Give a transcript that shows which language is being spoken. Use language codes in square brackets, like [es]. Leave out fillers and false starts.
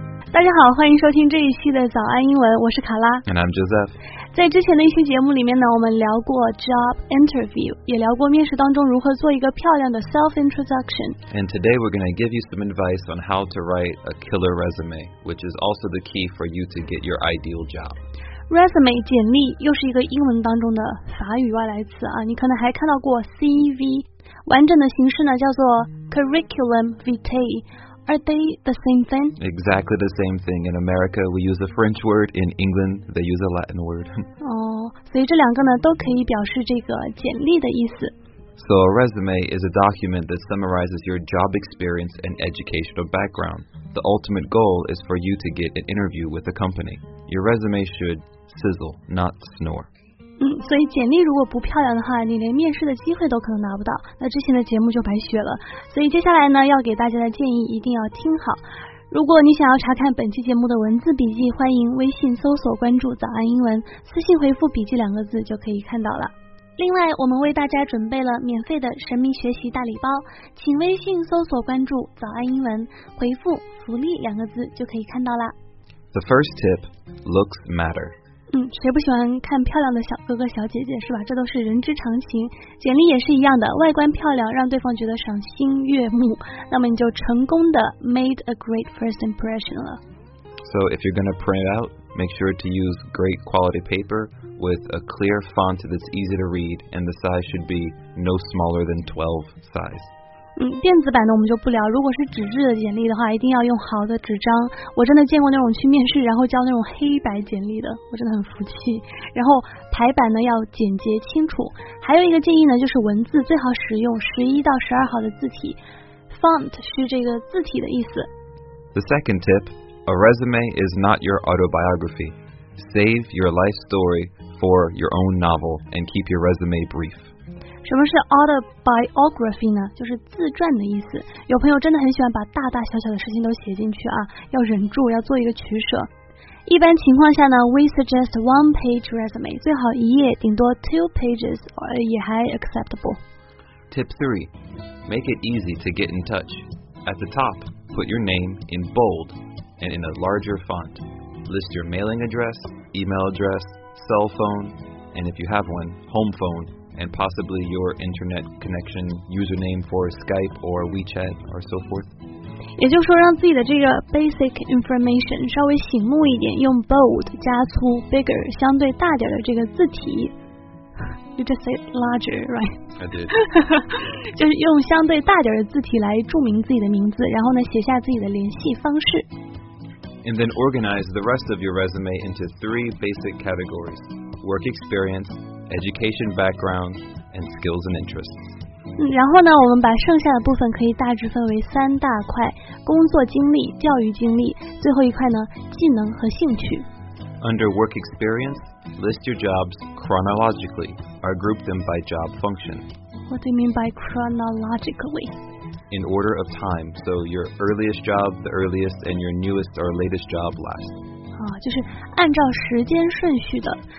[zh] 大家好，欢迎收听这一期的早安英文，我是卡拉。 [en] And I'm Joseph。 [zh] 在之前的一期节目里面呢，我们聊过 [en] job interview， [zh] 也聊过面试当中如何做一个漂亮的 [en] self introduction。 And today we're going to give you some advice on how to write a killer resume， which is also the key for you to get your ideal job。 [zh] Resume 简历又是一个英文当中的法语外来词啊，你可能还看到过 CV， 完整的形式呢叫做 curriculum vitae。 [en] Are they the same thing? Exactly the same thing. In America, we use a French word. In England, they use a Latin word. [zh] 哦，所以这两个呢，都可以表示这个简历的意思。 [en] So a resume is a document that summarizes your job experience and educational background. The ultimate goal is for you to get an interview with a company. Your resume should sizzle, not snore. [zh] 所以简历如果不漂亮的话，你连面试的机会都可能拿不到，那之前的节目就白学了。所以接下来呢，要给大家的建议一定要听好。如果你想要查看本期节目的文字笔记，欢迎微信搜索关注早安英文，私信回复笔记两个字就可以看到了。另外，我们为大家准备了免费的神秘学习大礼包，请微信搜索关注早安英文，回复福利两个字就可以看到了。 [en] The first tip, looks matter. [zh] 谁不喜欢看漂亮的小哥哥小姐姐是吧，这都是人之常情。简历也是一样的，外观漂亮让对方觉得赏心悦目，那么你就成功的 [en] made a great first impression [zh] 了。 [en] So if you're gonna print out, make sure to use great quality paper with a clear font that's easy to read and the size should be no smaller than 12 size. [zh] 电子版的我们就不聊，如果是纸质的简历的话，一定要用好的纸张。我真的见过那种去面试然后交那种黑白简历的，我真的很服气。然后排版呢要简洁清楚，还有一个建议呢，就是文字最好使用11-12号的字体， font 是这个字体的意思。 [en] The second tip, a resume is not your autobiography. Save your life story for your own novel and keep your resume brief. [zh] 什么是 autobiography 呢？就是自传的意思。有朋友真的很喜欢把大大小小的事情都写进去啊，要忍住，要做一个取舍。一般情况下呢， [en] we suggest one page resume， [zh] 最好一页，顶多 [en] two pages [zh] 也还 acceptable。 [en] Tip 3, make it easy to get in touch. At the top, put your name in bold and in a larger font. List your mailing address, email address, cell phone, and if you have one, home phoneand possibly your internet connection username for Skype or WeChat or so forth. [zh] 也就是说让自己的这个 [en] basic information [zh] 稍微醒目一点，用 bold 加粗 bigger 相对大点的这个字体。 [en] You just said larger, right? I did. [zh] 就是用相对大点的字体来注明自己的名字，然后呢写下自己的联系方式。 [en] And then organize the rest of your resume into three basic categories: work experienceeducation background and skills and interests. [zh] 然后呢，我们把剩下的部分可以大致分为三大块：工作经历、教育经历，最后一块呢，技能和兴趣。 [en] Under work experience, list your jobs chronologically or group them by job function. What do you mean by chronologically? In order of time, so your earliest job, the earliest, and your newest or latest job last. [zh] 就是按照时间顺序的。